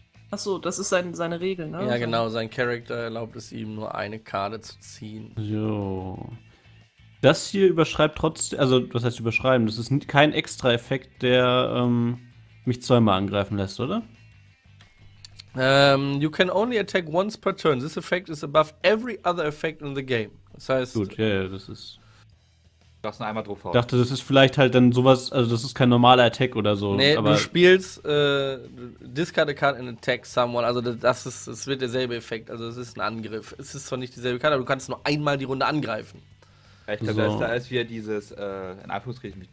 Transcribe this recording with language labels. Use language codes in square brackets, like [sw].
[de] Achso, das ist seine Regel, ne? Ja, genau. Sein Charakter erlaubt es ihm, nur eine Karte zu ziehen. So. Das hier überschreibt trotzdem, also was heißt überschreiben? Das ist kein extra Effekt, der mich zweimal angreifen lässt, oder? [en] You can only attack once per turn. This effect is above every other effect in the game. [de] Das heißt... Gut, ja, das ist... Du hast nur einmal drauf. Ich dachte, das ist vielleicht halt dann sowas, also das ist kein normaler Attack oder so. Nee, aber du spielst, [en] discard a card and attack someone. [de] Also das wird derselbe Effekt. Also es ist ein Angriff. Es ist zwar nicht dieselbe Karte, aber du kannst nur einmal die Runde angreifen. Ich glaube, so. Da ist wieder dieses, in Anführungszeichen mich